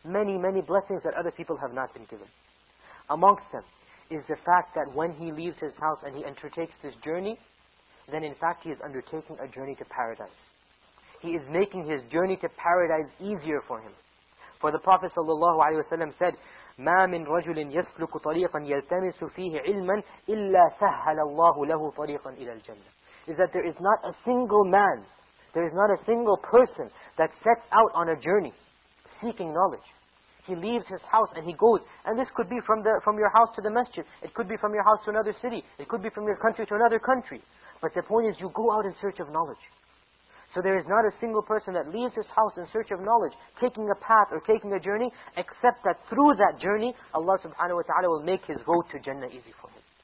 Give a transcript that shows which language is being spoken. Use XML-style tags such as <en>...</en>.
<en>Many, many blessings that other people have not been given. Amongst them is the fact that when he leaves his house and he undertakes this journey, then in fact he is undertaking a journey to paradise. He is making his journey to paradise easier for him. For the Prophet sallallahu alaihi wasallam said,</en> <ar>مَا مِنْ رَجُلٍ يَسْلُكُ طَرِيقًا يَلْتَمِسُ فِيهِ عِلْمًا إِلَّا سَهَّلَ اللَّهُ لَهُ طَرِيقًا إِلَى الْجَنَّةِ.</ar> <en>Is that there is not a single man, there is not a single person that sets out on a journey seeking knowledge. He leaves his house and he goes. And this could be from your house to the masjid. It could be from your house to another city. It could be from your country to another country. But the point is, you go out in search of knowledge. So there is not a single person that leaves his house in search of knowledge, taking a path or taking a journey, except that through that journey, Allah subhanahu wa ta'ala will make his road to Jannah easy for him.</en>